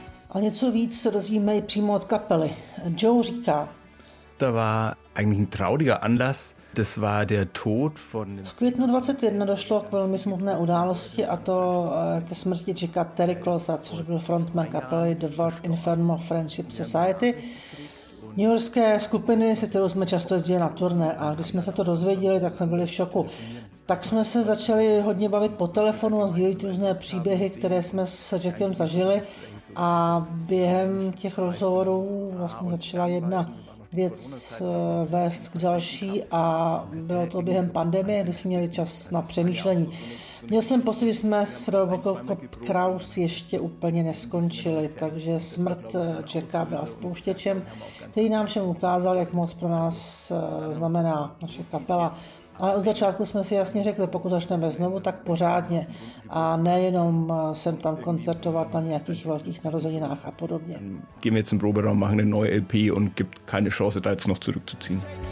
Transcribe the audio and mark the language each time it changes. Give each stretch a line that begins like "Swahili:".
Czech: A něco víc se dozvíme i přímo od kapely. Joe říká:
German: "To war eigentlich ein trauriger Anlass, das war der Tod von..."
Czech: V květnu 21 došlo k velmi smutné události, a to ke smrti Jacka Terry Clotha, což byl frontman kapely The World Inferno Friendship Society, New Yorkské skupiny, se kterou jsme často jezdili na turné, a když jsme se to dozvěděli, tak jsme byli v šoku. Tak jsme se začali hodně bavit po telefonu a sdílit různé příběhy, které jsme s Jackem zažili, a během těch rozhovorů vlastně začala jedna věc vést k další, a bylo to během pandemie, kdy jsme měli čas na přemýšlení. Měl jsem pocit, že jsme s Robocop Kraus ještě úplně neskončili, takže smrt Jacka byla spouštěčem, který nám všem ukázal, jak moc pro nás znamená naše kapela. Ale od začátku jsme si jasně řekli, pokud začneme znovu, tak pořádně. A nejenom sem tam koncertovat na nějakých velkých narozeninách a podobně.
German: Gehen wir zum Proberaum, machen eine neue LP und gibt keine Chance, da jetzt noch zurückzuziehen.